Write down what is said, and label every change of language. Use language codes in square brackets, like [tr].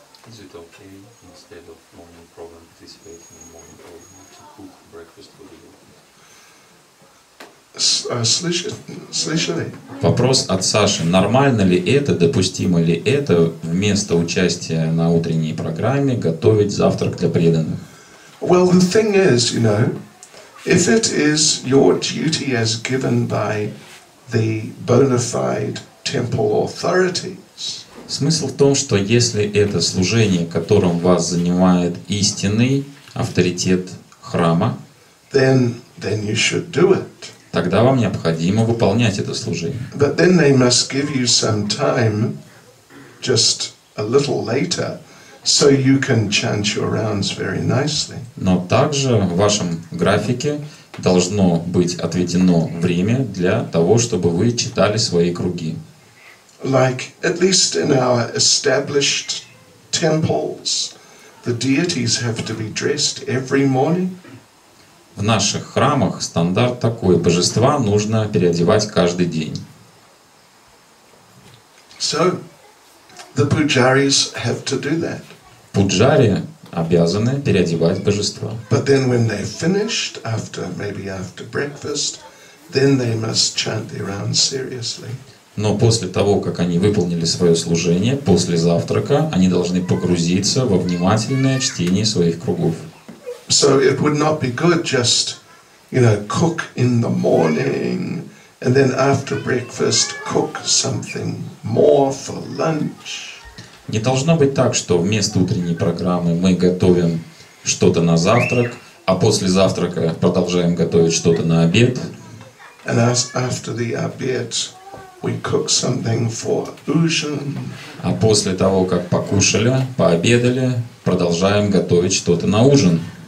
[en] Is it okay instead of morning program participating in morning program to cook breakfast for the [ru] Слышали? Вопрос от Саши. Нормально ли это, допустимо ли это вместо участия на утренней программе готовить завтрак для преданных? [en] Well, the thing is, you know, if it is your duty as given by the bona fide temple authorities. [ru] Смысл в том, что если это служение, которым вас занимает истинный авторитет храма, [en] then you should do it. [ru] Тогда вам необходимо выполнять это служение. [en] But then they must give you some time, just a little later, so you can chant your rounds very nicely. [ru] Но также в вашем графике должно быть отведено время для того, чтобы вы читали свои круги. [en] Like at least in our established temples, the deities have to be dressed every morning. [ru] В наших храмах стандарт такой: божества нужно переодевать каждый день. [en] So the pujaris have to do that. [ru] Пуджари обязаны переодевать божества. [en] But then when they finished after maybe after breakfast, then they must chant their rounds seriously. [ru] Но после того, как они выполнили свое служение, после завтрака, они должны погрузиться во внимательное чтение своих кругов. [en] So it would not be good just, you know, cook in the morning and then after breakfast cook something more for lunch. [ru] Не должно быть так, что вместо утренней программы мы готовим что-то на завтрак, а после завтрака продолжаем готовить что-то на обед. [en] And after the обед we cook something for ужин. [ru] А после того, как покушали, пообедали, продолжаем готовить что-то на ужин.